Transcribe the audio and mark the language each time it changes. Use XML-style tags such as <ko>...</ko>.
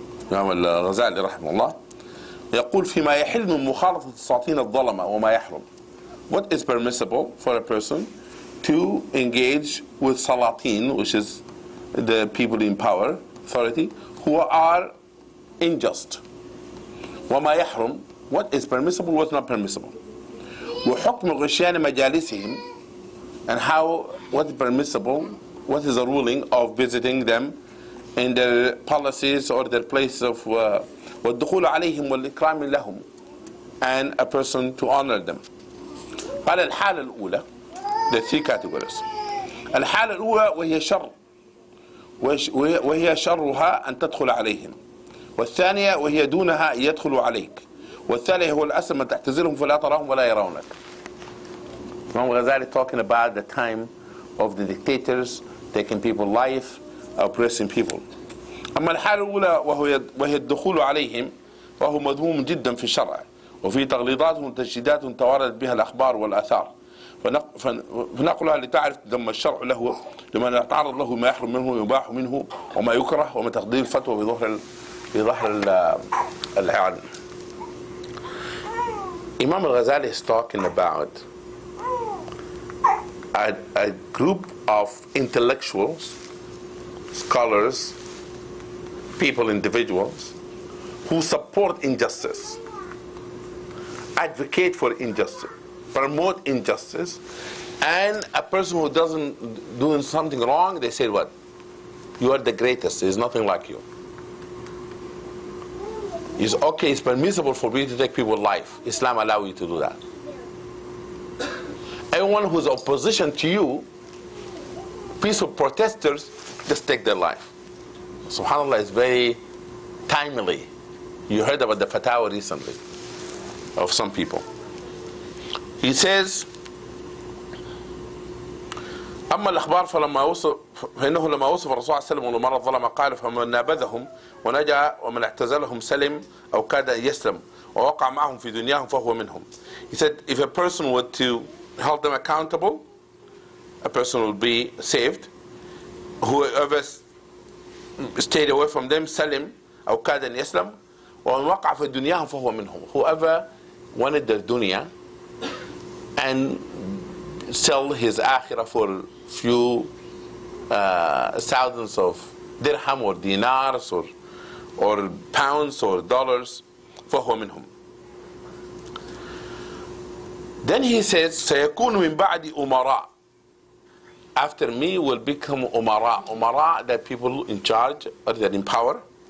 <ar>Imam al-Ghazali, rahimahullah, يقول فيما يحل من مخالفة السلطين الظلمة وما يحرم.</ar> <en>What is permissible for a person to engage with salatin, which is the people in power, authority, who are unjust.</en> <ar>وما يحرم.</ar> <en>What is permissible, what's not permissible.</en> <ar>وحكم غشيان مجالسهم.</ar> <en>And how, what is permissible, what is the ruling of visiting them in their policies or their place of</en> <ar>والدخول عليهم والإكرام لهم,</ar> <en>and a person to honor them.</en> <ar>قال الحالة الأولى,</ar> <en>the three categories.</en> <ar>الحالة الأولى وهي شر, وهي شرها أن تدخل عليهم. والثانية وهي دونها يدخل عليك. والثالثة هو الأسلم أن تعتزلهم فلا تراهم ولا يرونك.</ar> <en>Imam Ghazali talking about the time of the dictators taking people's life, oppressing people.</en> <ar>أما الحالة الأولى وهي الدخول عليهم وهو مذموم جدا في الشرع وفي تغليظات وتشديدات توارد بها الأخبار والآثار فنقلها لتعرف تذم الشرع له لمن يتعرض له ما يحرم منه ويباح منه وما يكره وما تقدير الفتوى بظهر العلم.</ar> <en>Imam Ghazali is talking about a group of intellectuals, scholars, people, individuals who support injustice, advocate for injustice, promote injustice, and a person who doesn't do something wrong, they say, what? You are the greatest, there's nothing like you. It's okay, it's permissible for me to take people's life. Islam allow you to do that. Anyone who's opposition to you, peaceful protesters, just take their life. SubhanAllah, it's very timely. You heard about the fatwa recently of some people. He says,</en> <ar>أما الأخبار فإنه لما وصف الرسول صلى الله عليه وسلم والمرء الظلم قال فمن نابذهم ونجا ومن اعتزلهم سلم أو كاد أن يسلم ووقع معهم في دنياهم فهو منهم.</ar> <en>He said, if a person were to hold them accountable, a person would be saved. Whoever stayed away from them,</en> <ar>سلم أو كاد أن يسلم ومن وقع في دنياهم فهو منهم.</ar> <en>Whoever wanted their dunya and sell his akhirah for few thousands of dirham or dinars or pounds or dollars,</en> <ar>فهو منهم.</ar> <en>Then he says,</en> <ar>سيكون من بعد أمراء.</ar> <en>After me will become أمراء. أمراء, that people in charge or that in power.</en>